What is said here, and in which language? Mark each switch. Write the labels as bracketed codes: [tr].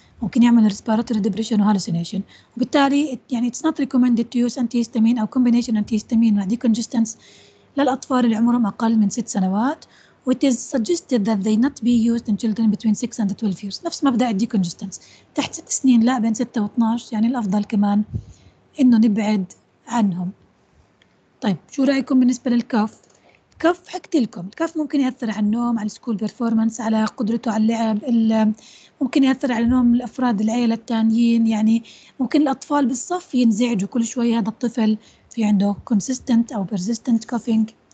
[ar] ممكن يعمل [en] respiratory depression وهالوسينيشن، [ar] وبالتالي يعني [en] it's not recommended to use antihistamine او combination antihistamine مع decongestants [ar] للاطفال اللي عمرهم اقل من 6 سنوات. [en] It is suggested that they not be used in children between 6 and 12 years. [ar] نفس مبدأ الديكونجستنس، تحت 6 سنين لا، بين 6 و12 يعني الأفضل كمان إنه نبعد عنهم. طيب شو رأيكم بالنسبة للكف؟ كف حكيت لكم الكف ممكن يأثر على النوم، على السكول بيرفورمانس، على قدرته على اللعب، ممكن يأثر على نوم الأفراد العيلة التانيين، يعني ممكن الأطفال بالصف ينزعجوا كل شوي هذا الطفل في عنده [en] consistent [ar] أو [en] persistent coughing.